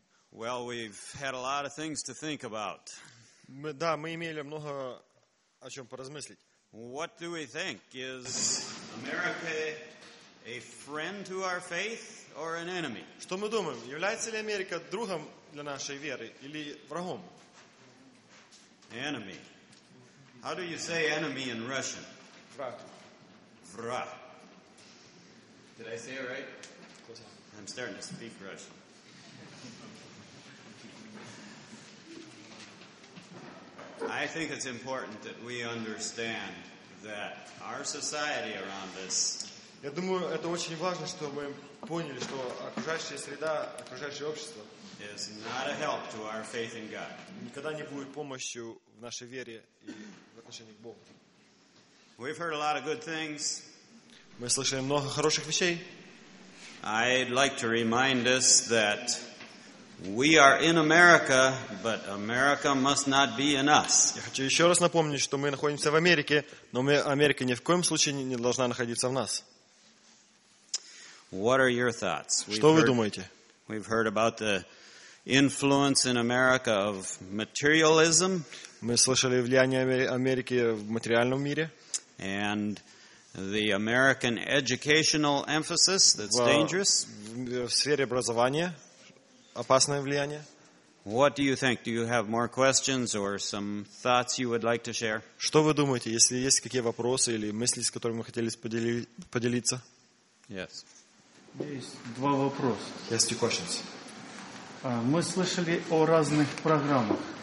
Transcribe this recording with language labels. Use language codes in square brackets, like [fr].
[en] Well, we've had a lot of things to think about. [ru] Да, мы имели много о чем поразмыслить. [en] What do we think? Is America a friend to our faith or an enemy? [ru] Что мы думаем? Является ли Америка другом для нашей веры или врагом? [en] Enemy. How do you say enemy in Russian? [ru] Враг. Враг. [en] Did I say it right? I'm starting to speak Russian. I think it's important that we understand that our society around us. [ru] Я думаю, это очень важно, что мы поняли, что окружающая среда, окружающее общество [en] is not a help to our faith in God. [ru] Никогда не будет помощью в нашей вере и в отношении к Богу. [en] We've heard a lot of good things. [ru] Мы слышали много хороших вещей. [en] I'd like to remind us that we are in America, but America must not be in us. [ru] Я хочу еще раз напомнить, что мы находимся в Америке, но Америка ни в коем случае не должна находиться в нас. [en] What are your thoughts? [ru] Что вы думаете? [en] We've heard about the influence in America of materialism. [ru] Мы слышали влияние Америки в материальном мире. [en] And the American educational emphasis that's dangerous. [ru] В сфере образования. Опасное влияние. [en] What do you think? Do you have more questions or some thoughts you would like to share? [ru] Что вы думаете, если есть какие вопросы или мысли, с которыми вы хотели поделиться? [en] Yes. [ru] Есть два вопроса. [en] Yes, two questions. [ru] Мы слышали о разных программах.